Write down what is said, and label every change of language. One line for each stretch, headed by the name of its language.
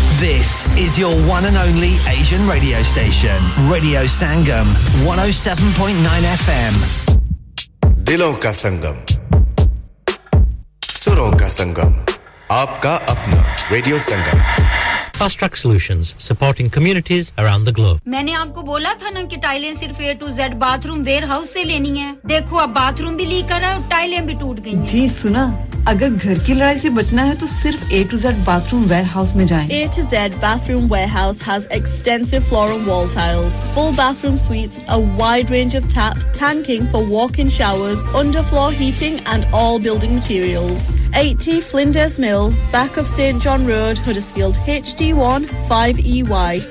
English: This is your one and only Asian radio station. Radio Sangam, 107.9 FM.
Hindi: Dilon ka Sangam. Suron ka Sangam. Aapka apna Radio Sangam.
English: Fast Track Solutions, supporting communities around the globe.
Hindi: मैंने आपको बोला था ना कि टाइलें सिर्फ A to Z bathroom warehouse से लेनी है। देखो अब bathroom भी leak कर रहा है और टाइलें भी टूट गई हैं। जी सुना। अगर घर की लड़ाई से बचना है तो सिर्फ A to Z bathroom warehouse में जाएं।
English: A to Z bathroom warehouse has extensive floor and wall tiles, full bathroom suites, a wide range of taps, tanking for walk-in showers, underfloor heating and all building materials. 80 Flinders Mill, back of St John Road, Huddersfield, HD1 5EY.